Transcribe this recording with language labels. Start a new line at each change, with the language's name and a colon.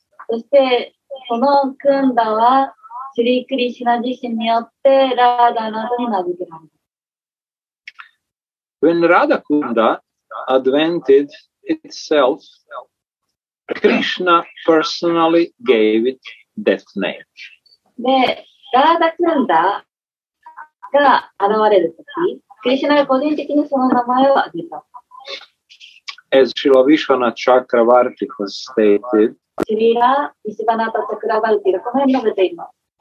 Japanese: そしてこのクンダはシリクリシナ自身によってラーダの名前になる。
English: When Radha Kunda advented itself,Krishna personally gave it that name.
Japanese: で、ラーダクンダが現れるとき、クリシュナが個人的にその名前を挙げた。
English: As Srila Vishvanatha Chakravarti has stated,
Japanese: シリラ・ヴィシヴァナタ・チャクラヴァルティがこのように述べています。